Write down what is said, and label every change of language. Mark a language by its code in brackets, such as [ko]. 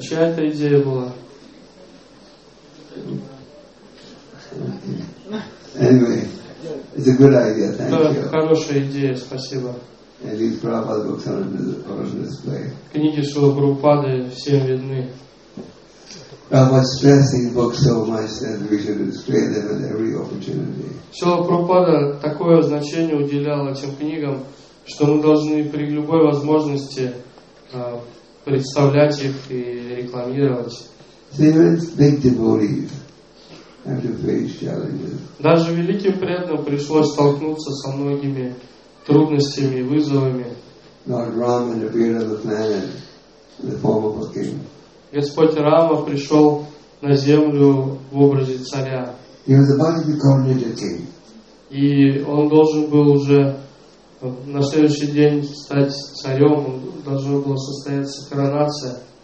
[ru] Чья это идея была? [en] Anyway, it's a good idea. Thank you. [ru] Это хорошая идея, спасибо. [en] And these Prabhupada books are on display. [ru] Книги Шрилы Прабхупады всем видны. [en] Prabhupada stressed his books so much that we should display them at every opportunity. [ru] Шрила Прабхупада такое значение уделял этим книгам, что мы должны при любой возможности представлять их и рекламировать. [en] So even big devotees have to face challenges. [ru] Даже великим преданным пришлось столкнуться со многими трудностями и вызовами. [en] Lord Rama appeared on the planet in the form of a king. [ru] Господь Рама пришел на землю в образе царя. [en] He was about to be coronated king. [ru] И он должен был уже на следующий день стать царем, должна была состояться коронация.